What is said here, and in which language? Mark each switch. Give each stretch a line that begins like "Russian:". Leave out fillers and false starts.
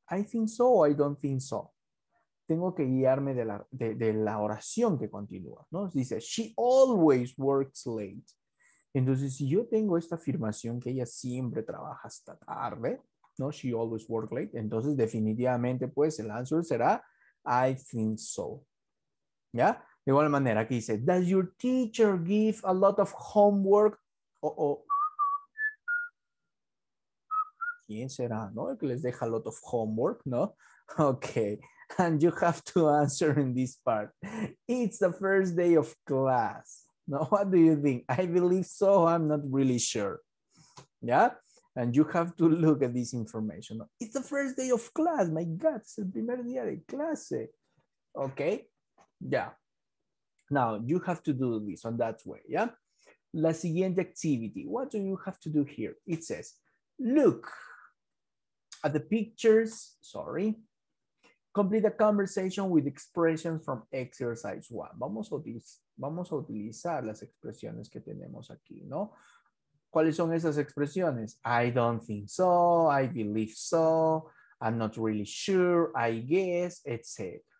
English: I think so or I don't think so.
Spanish: Tengo que guiarme de la oración que continúa, ¿no? Dice,
English: she always works late.
Spanish: Entonces, si yo tengo esta afirmación que ella siempre trabaja hasta tarde, ¿no?
English: She always works late.
Spanish: Entonces, definitivamente, pues, el
English: answer será, I think so. ¿Ya?
Spanish: De igual manera, aquí dice,
English: does your teacher give a lot of homework?
Spanish: ¿Quién será, no? El que les deja
English: a lot of homework,
Spanish: ¿no?
English: Okay. And you have to answer in this part. It's the first day of class. Now, what do you think? I believe so. I'm not really sure. Yeah? And you have to look at this information. It's the first day of class. My God, it's
Spanish: el primer día de clase.
English: Okay? Yeah. Now, you have to do this on that way. Yeah?
Spanish: La siguiente
English: activity. What do you have to do here? It says, look at the pictures. Sorry. Complete a conversation with expressions from exercise one.
Spanish: Vamos a utilizar las expresiones que tenemos aquí, ¿no? ¿Cuáles son esas expresiones?
English: I don't think so, I believe so, I'm not really sure, I guess, etc.